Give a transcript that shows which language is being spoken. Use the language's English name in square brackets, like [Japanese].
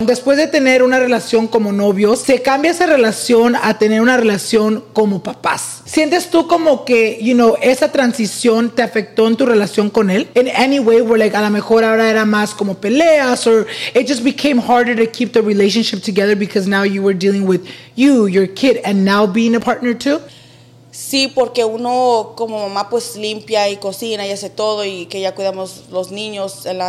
[Spanish] Después de tener una relación como novios, se cambia esa relación a tener una relación como papás. ¿Sientes tú como que, [English] you know, [Spanish] esa transición te afectó en tu relación con él? [English] In any way, where like, [Spanish] a lo mejor ahora era más como peleas, [English] or it just became harder to keep the relationship together because now you were dealing with you, your kid, and now being a partner too? [Spanish] Sí, porque uno como mamá pues limpia y cocina y hace todo y que ya cuidamos los niños.